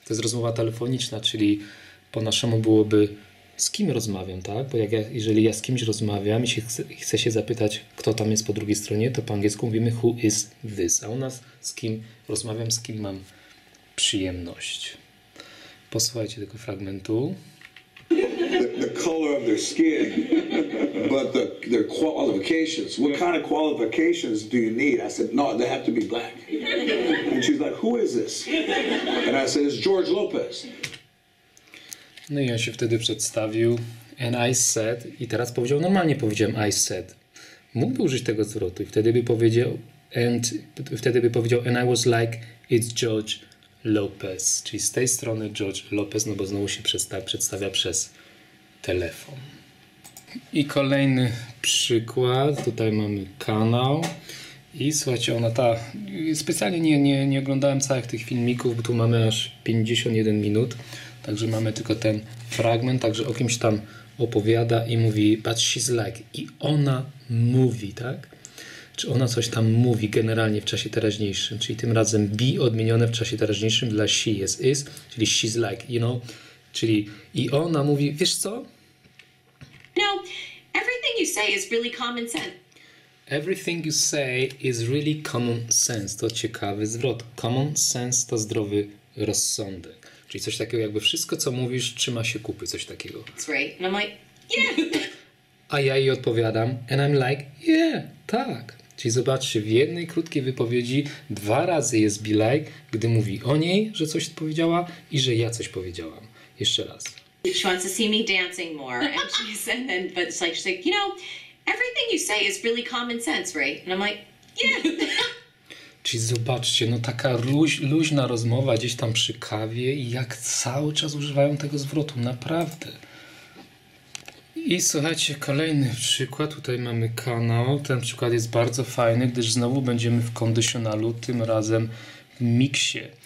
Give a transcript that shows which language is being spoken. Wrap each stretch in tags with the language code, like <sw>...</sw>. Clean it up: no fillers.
<pl>To jest rozmowa telefoniczna, czyli po naszemu byłoby z kim rozmawiam, tak? Bo jeżeli ja z kimś rozmawiam i chcę się zapytać, kto tam jest po drugiej stronie, to po angielsku mówimy</pl> <en>who is this?</en> <pl>A u nas z kim rozmawiam, z kim mam przyjemność. Posłuchajcie tego fragmentu.</pl> <en>The color of their skin, but their qualifications. What kind of qualifications do you need? I said, no, they have to be black. And she's like, who is this? And I said, it's George Lopez.</en> <pl>No i on się wtedy przedstawił.</pl> <en>And I said,</en> <pl>i teraz powiedział, normalnie powiedziałem</pl> <en>I said.</en> <pl>Mógłby użyć tego zwrotu i wtedy by powiedział</pl> <en>and I was like, it's George Lopez.</en> <pl>Czyli z tej strony George Lopez, no bo znowu się przedstawia przez telefon. I kolejny przykład. Tutaj mamy kanał. I słuchajcie, ona ta... Specjalnie nie oglądałem całych tych filmików, bo tu mamy aż 51 minut. Także mamy tylko ten fragment. Także o kimś tam opowiada i mówi</pl> <en>but she's like.</en> <pl>I ona mówi, tak? Czy ona coś tam mówi generalnie w czasie teraźniejszym? Czyli tym razem be odmienione w czasie teraźniejszym dla she jest is, czyli</pl> <en>she's like, you know?</en> <pl>Czyli i ona mówi, wiesz co?</pl> <en>No, everything you say is really common sense. Everything you say is really common sense.</en> <pl>To ciekawy zwrot. Common sense to zdrowy rozsądek. Czyli coś takiego, jakby wszystko, co mówisz, trzyma się kupy, coś takiego.</pl> <en>That's right. And I'm like, yeah.</en> <pl>A ja jej odpowiadam,</pl> <en>and I'm like, yeah,</en> <pl>tak. Czyli zobaczcie, w jednej krótkiej wypowiedzi dwa razy jest be like, gdy mówi o niej, że coś powiedziała i że ja coś powiedziałam. Jeszcze raz.</pl> <en>She wants to see me dancing more. And she said, and, but it's like, she's like, you know, everything you say is really common sense, right? And I'm like, yeah.</en> <pl>Czyli zobaczcie, no taka luźna rozmowa gdzieś tam przy kawie i jak cały czas używają tego zwrotu, naprawdę. I słuchajcie, kolejny przykład, tutaj mamy kanał, ten przykład jest bardzo fajny, gdyż znowu będziemy w kondycjonalu, tym razem w miksie.</pl>